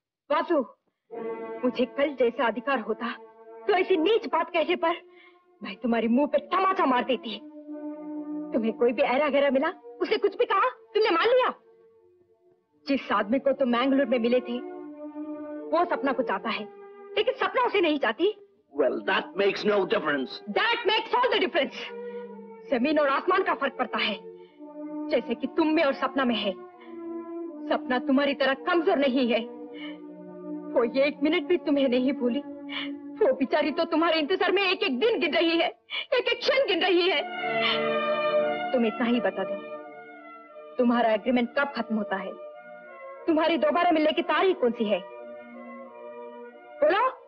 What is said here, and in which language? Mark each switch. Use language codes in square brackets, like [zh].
[hi] वासु मुझे कल जैसा अधिकार होता तो ऐसी नीच बात कहने पर मैं तुम्हारे मुंह पे तमाचा मार देती तुम्हें कोई भी ऐरा गैरा मिला उसने कुछ भी कहा तुमने मान लिया जिस आदमी को तुम मैंगलोर में मिले थे वो सपना को चाहता है लेकिन सपना उसे नहीं चाहती [en] Well, that makes no difference. That makes all the difference. [hi] जमीन और आसमान का फर्क पड़ता है जैसे कि तुम में और सपना में है सपना तुम्हारी तरह कमजोर नहीं है वो ये एक मिनट भी तुम्हें नहीं भूली वो बिचारी तो तुम्हारे इंतजार में एक एक दिन गिन रही है एक एक क्षण गिन रही है तुम इतना ही बता दो तुम्हारा एग्रीमेंट कब खत्म होता है तुम्हारी दोबारा मिलने की तारीख कौन सी है बोलो